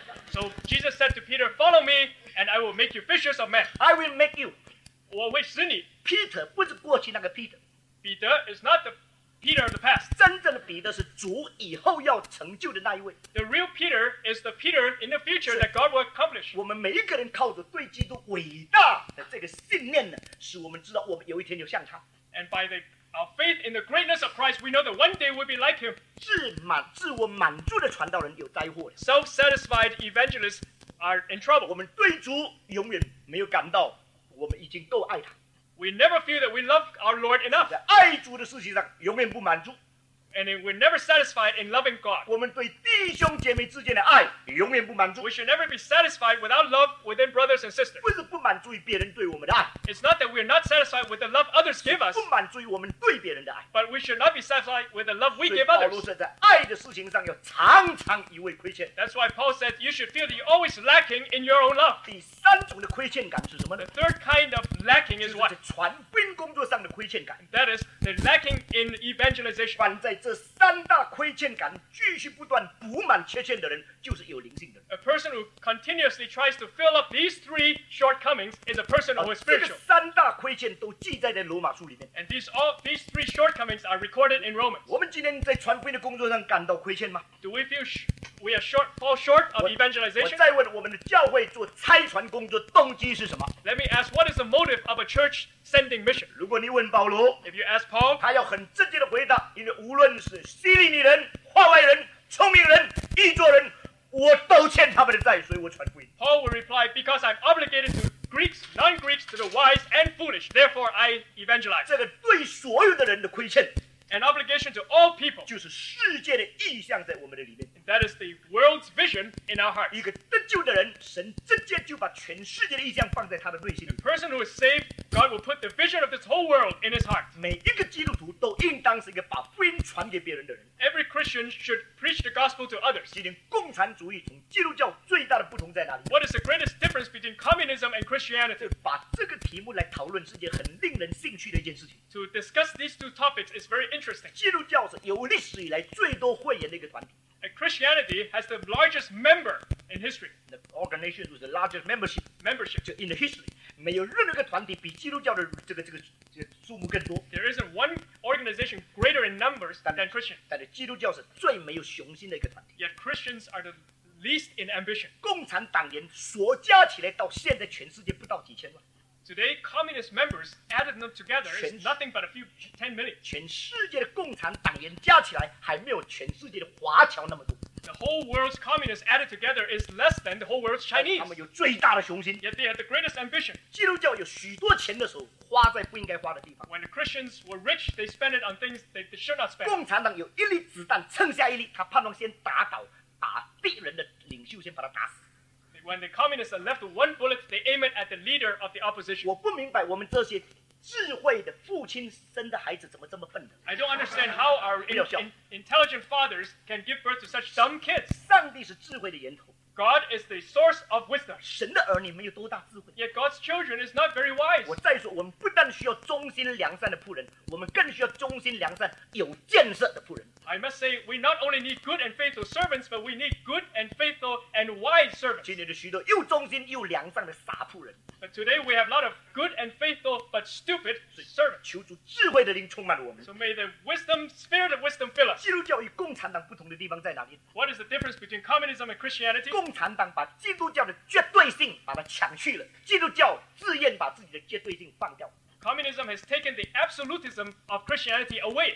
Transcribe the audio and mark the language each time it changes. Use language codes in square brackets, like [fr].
[en] So Jesus said to Peter, follow me and I will make you fishers of men. I will make you. [zh] 我会使你。 Peter 不是过去那个 Peter. [en] Peter is not the Peter of the past. [zh] 真正的彼得是主以后要成就的那一位。 [en] The real Peter is the Peter in the future that God will accomplish. [zh] 我们每一个人靠着对基督伟大的这个信念呢， 使我们知道我们有一天就像他。 [en] And by our faith in the greatness of Christ, we know that one day we'll be like him. [zh] 自我满足的传道人有灾祸的。 [en] Self-satisfied evangelists are in trouble. [zh] 我们对主永远没有感到我们已经够爱他。 [en] We never feel that we love our Lord enough. [zh] 在爱主的事情上永远不满足。 [en] And we're never satisfied in loving God. [zh] 我们对弟兄姐妹之间的爱永远不满足。 [en] We should never be satisfied without love within brothers and sisters. [zh] 不是不满足于别人对我们的爱。 [en] It's not that we're not satisfied with the love others give us. [zh] 不满足于我们对别人的爱。 [en] But we should not be satisfied with the love we give others. [zh] 所以保罗说在爱的事情上要常常以为亏欠。 [en] That's why Paul said you should feel that you're always lacking in your own love. [zh] 第三种的亏欠感是什么呢? [en] The third kind of lacking is what? [zh] 就是传兵工作上的亏欠感。 [en] That is the lacking in evangelization. [zh] 这三大亏欠感继续不断补满缺陷的人，就是有灵性的人。 [en] A person who continuously tries to fill up these three shortcomings is a person who is spiritual. [zh] 这三大亏欠都记载在罗马书里面。 [en] And these three shortcomings are recorded in Romans. [zh] 我们今天在传福音的工作上感到亏欠吗？ [en] Do we feel fall short of evangelization? [zh] 我再问我们的教会做拆传工作动机是什么？ [en] Let me ask, what is the motive of a church sending mission? [zh] 如果你问保罗， [en] If you ask Paul, [zh] 他要很直接的回答， 因为无论是希利尼人、话外人、聪明人、异作人，我都欠他们的债，所以我传福音。 [en] Paul will reply, because I'm obligated to Greeks, non-Greeks, to the wise and foolish, therefore I evangelize. [zh] 这个对所有的人的亏欠。 [en] An obligation to all people. [zh] 就是世界的意向在我们的里面。 [en] That is the world's vision in our hearts. [zh] 一个得救的人， 神直接就把全世界的意向放在他的内心。 [en] A person who is saved, God will put the vision of this whole world in his heart. [zh] 每一个基督徒都应当是一个把福音传给别人的人。 [en] Every Christian should preach the gospel to others. [zh] 今天共产主义从基督教最大的不同在哪里？ [en] What is the greatest difference between communism and Christianity? [zh] 把这个体题目来讨论是件很令人兴趣的一件事情。 [en] To discuss these two topics is very interesting. [zh] 基督教是有历史以来最多会员的一个团体。 [en] And Christianity has the largest member in history. The organization with the largest membership. Membership. 就 in the history. [zh] 没有任何一个团体比基督教的这个数目更多。 [en] There isn't one organization greater in numbers than Christian. [zh] 但是基督教是最没有雄心的一个团体。 [en] Yet Christians are the least in ambition. [zh] 共产党员所加起来到现在全世界不到几千万。 [en] Today, communist members added them together is nothing but a few 10 million. [zh] 全世界的共产党员加起来还没有全世界的华侨那么多。 [en] The whole world's communists added together is less than the whole world's Chinese. [zh] 他们有最大的雄心。 [en] Yet they had the greatest ambition. [zh] 基督教有许多钱的时候花在不应该花的地方。 [en] When the Christians were rich, they spent it on things they should not spend. [zh] 共产党有一粒子弹，剩下一粒，他盼望先打倒打敌人的领袖，先把他打死。 [en] When the communists are left one bullet, they aim it at the leader of the opposition. [zh] 我不明白我们这些智慧的父亲生的孩子怎么这么笨的。 [en] I don't understand how our intelligent fathers can give birth to such dumb kids. [zh] 上帝是智慧的源头。 [en] God is the source of wisdom. [zh] 神的儿女没有多大智慧。 [en] Yet God's children is not very wise. [zh] 我再说，我们不但需要忠心良善的仆人，我们更需要忠心良善有见识的仆人。 [en] I must say, we not only need good and faithful servants, but we need good and faithful and wise servants. [zh] 今天的许多又忠心又良善的傻仆人。 [en] But today we have a lot of good and faithful but stupid servants. [zh] 求主智慧的灵充满了我们。 [en] So may the wisdom, spirit of wisdom fill us. [zh] 基督教与共产党不同的地方在哪里？ [en] What is the difference between communism and Christianity? [zh] 共产党把基督教的绝对性把它抢去了，基督教自愿把自己的绝对性放掉。 [en] Communism has taken the absolutism of Christianity away.